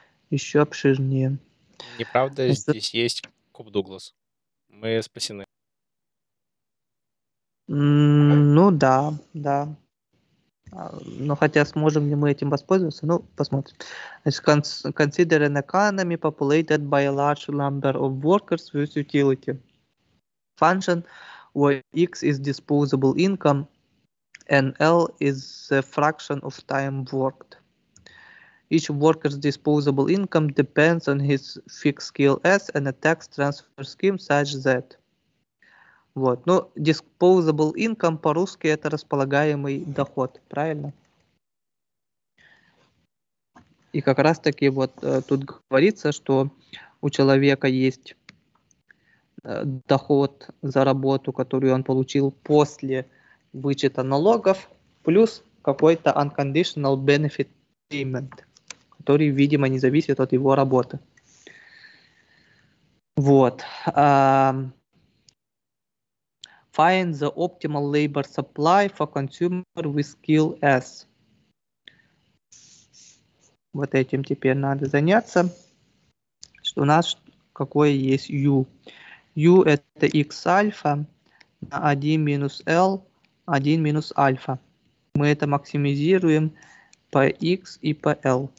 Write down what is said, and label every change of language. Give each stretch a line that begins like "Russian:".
Russian: Еще обширнее. Неправда, здесь есть Куб Дуглас. Мы спасены. Ну да, да. Но хотя сможем ли мы этим воспользоваться, ну посмотрим.
English: Consider an economy populated by a large number of workers with utility function where X is disposable income and L is a fraction of time worked. Each worker's disposable income depends on his fixed skill S and a tax transfer scheme such that.
Russian: Вот, ну,
English: disposable income
Russian: по-русски это располагаемый доход, правильно? И как раз таки вот тут говорится, что у человека есть доход за работу, которую он получил после вычета налогов, плюс какой-то
English: unconditional benefit payment,
Russian: который, видимо, не зависит от его работы. Вот.
English: find the optimal labor supply for consumer with skill S.
Russian: Вот этим теперь надо заняться. Что у нас какое есть U? U это x альфа на 1 минус L, 1 минус альфа. Мы это максимизируем по x и по L.